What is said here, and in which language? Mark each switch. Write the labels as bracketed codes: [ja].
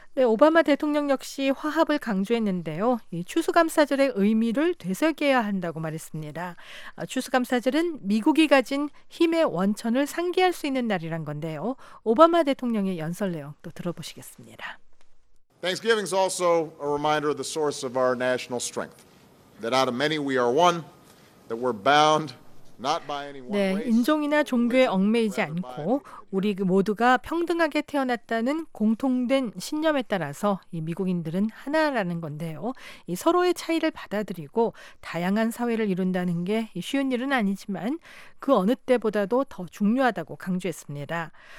[ko] 네, 오바마 대통령 역시 화합을 강조했는데요. 이 추수감사절의 의미를 되새겨야 한다고 말했습니다. 추수감사절은 미국이 가진 힘의 원천을 상기할 수 있는 날이란 건데요. 오바마 대통령의 연설 내용 또 들어보시겠습니다. [en] Thanksgiving is also a reminder of the source of our national strength. That out of many we are one, that we're bound [ko] 네, 인종이나 종교에 얽매이지 않고 우리 모두가 평등하게 태어났다는 공통된 신념에 따라서 이 미국인들은 하나라는 건데요. 이 서로의 차이를 받아들이고 다양한 사회를 이룬다는 게 쉬운 일은 아니지만 그 어느 때보다도 더 중요하다고 강조했습니다.